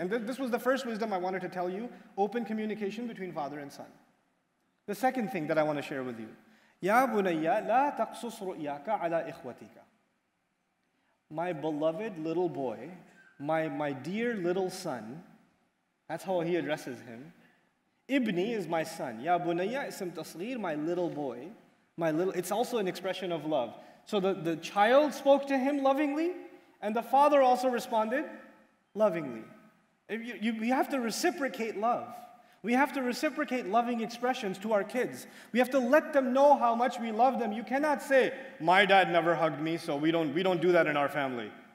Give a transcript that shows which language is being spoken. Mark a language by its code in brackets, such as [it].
[en] And this was the first wisdom I wanted to tell you, open communication between father and son. The second thing that I want to share with you, [ar] يَا بُنَيَّ لَا تَقْصُصْ رُؤْيَاكَ عَلَىٰ إِخْوَتِكَ. [en] My beloved little boy, my dear little son, that's how he addresses him. Ibni is my son. [ar] يَا بُنَيَّ اسم تصغير, [en] my little boy. It's also an expression of love. So the child spoke to him lovingly, and the father also responded lovingly. You have to reciprocate love. We have to reciprocate loving expressions to our kids. We have to let them know how much we love them. You cannot say, my dad never hugged me, so we don't do that in our family.